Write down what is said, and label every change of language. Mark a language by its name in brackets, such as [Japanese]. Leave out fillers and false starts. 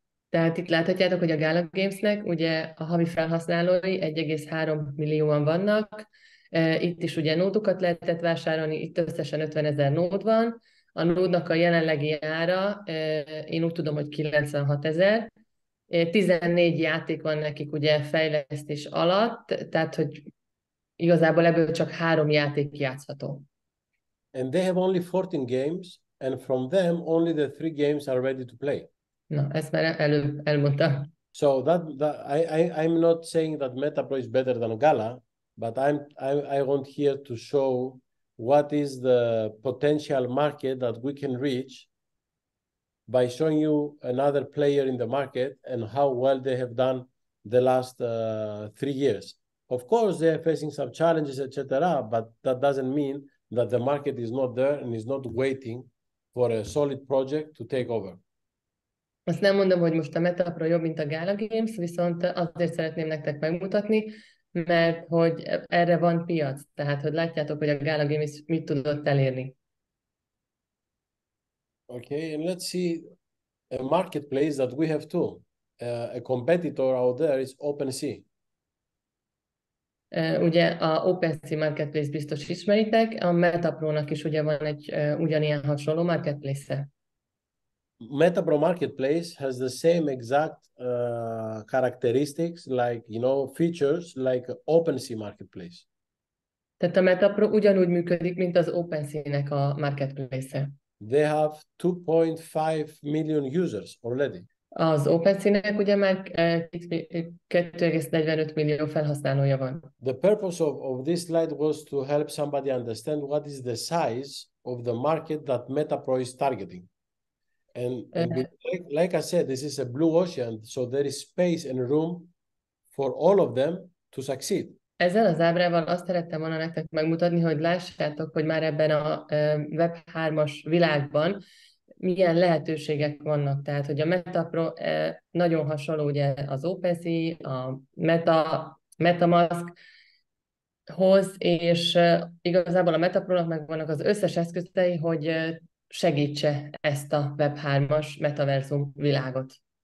[Hungarian] Tehát itt láthatjátok, hogy a Gala Games-nek ugye a havi felhasználói 1,3 millióan vannak. Itt is ugye nódokat lehetett vásárolni, itt összesen 50 ezer nód van. A nódnak a jelenlegi ára, én úgy tudom, hogy 96 ezer. 14 játék van nekik ugye fejlesztés alatt, tehát hogy igazából ebből csak 3 játék játszható. [English] And they have only 14 games, and from them only the 3 games are ready to play. [Hungarian] No, ezt már elmondtam. [English] So I'm not saying that MetaPro is better than Gala, but I want here to show what is the potential market that we can reach by showing you another player in the market and how well they have done the last 3 years. Of course, they are facing some challenges, etc., but that doesn't mean that the market is not there and is not waiting for a solid project to take over. [Hungarian] Azt nem mondom, hogy most a Metapro jobb, mint a Gala Games, viszont azért szeretném nektek megmutatni, mert hogy erre van piac, tehát hogy látjátok, hogy a Gala Games mit tudott elérni. [English] Okay, and let's see a marketplace that we have too. A competitor out there is OpenSea. [Hungarian] Ugye a OpenSea marketplace biztos ismeritek, a Metapro-nak is ugye van egy ugyanilyen hasonló marketplace-e. [English] Metapro marketplace has the same exact characteristics, like, you know, features like OpenSea marketplace. [Hungarian] Tehát a Metapro ugyanúgy működik, mint az OpenSea-nek a marketplace-e. [English] They have 2.5 million users already. [Hungarian] Az OpenSea-nek ugye már 2,45 millió felhasználója van. [English] The purpose of this slide was to help somebody understand what is the size of the market that Metapro is targeting. And like I said, this is a blue ocean, so there is space and room for all of them to succeed. [Hungarian] Ezzel az ábrával azt szerettem volna nektek megmutatni, hogy lássátok, hogy már ebben a Web3-as világban milyen lehetőségek vannak. Tehát, hogy a Metapro nagyon hasonló ugye az OpenSea, a MetaMask-hoz, és igazából a Metapro-nak meg vannak az összes eszközei, hogy segítse ezt a Web3-as metaverzum világot.